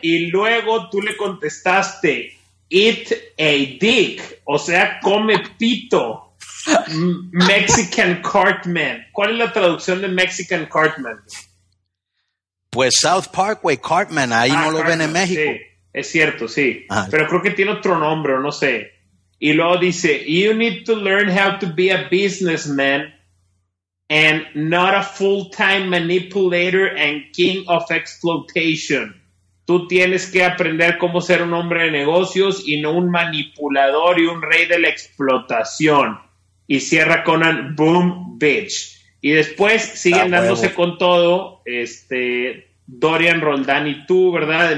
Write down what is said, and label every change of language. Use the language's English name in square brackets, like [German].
[Spanish] Y luego tú le contestaste: [English] "Eat a dick," [Spanish] o sea, come pito. Mexican Cartman. ¿Cuál es la traducción de Mexican Cartman? Pues South Parkway Cartman, ahí no Cartman, lo ven en México. Sí, es cierto, sí. Ah. Pero creo que tiene otro nombre, no sé. Y luego dice: [English] "You need to learn how to be a businessman and not a full-time manipulator and king of exploitation." [Spanish] Tú tienes que aprender cómo ser un hombre de negocios y no un manipulador y un rey de la explotación. Y cierra Conan: [English] "Boom, bitch." [Spanish] Y después siguen dándose con todo, Dorian Roldán y tú, ¿verdad?